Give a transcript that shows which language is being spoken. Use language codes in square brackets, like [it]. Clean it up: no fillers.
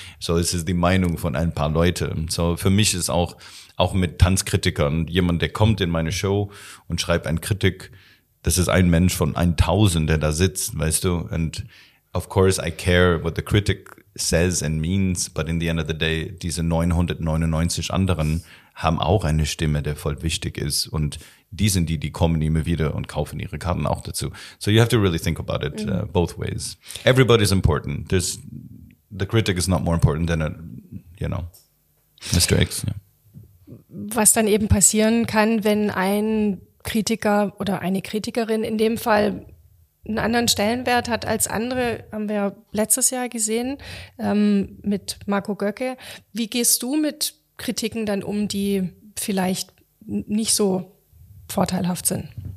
[de] So ist es die Meinung von ein paar Leute. So für mich ist auch mit Tanzkritikern, jemand, der kommt in meine Show und schreibt eine Kritik, das ist ein Mensch von 1000, der da sitzt, weißt du? [en] And of course I care what the critic says and means, but in the end of the day, [de] diese 999 anderen haben auch eine Stimme, der voll wichtig ist. Und die sind die, die kommen immer wieder und kaufen ihre Karten auch dazu. [en] So you have to really think about it both ways. Everybody's important. The critic is not more important than, Mr. X. Yeah. [de] Was dann eben passieren kann, wenn ein Kritiker oder eine Kritikerin in dem Fall einen anderen Stellenwert hat als andere, haben wir letztes Jahr gesehen, mit Marco Göcke. Wie gehst du mit Kritiken dann um, die vielleicht nicht so vorteilhaft sind?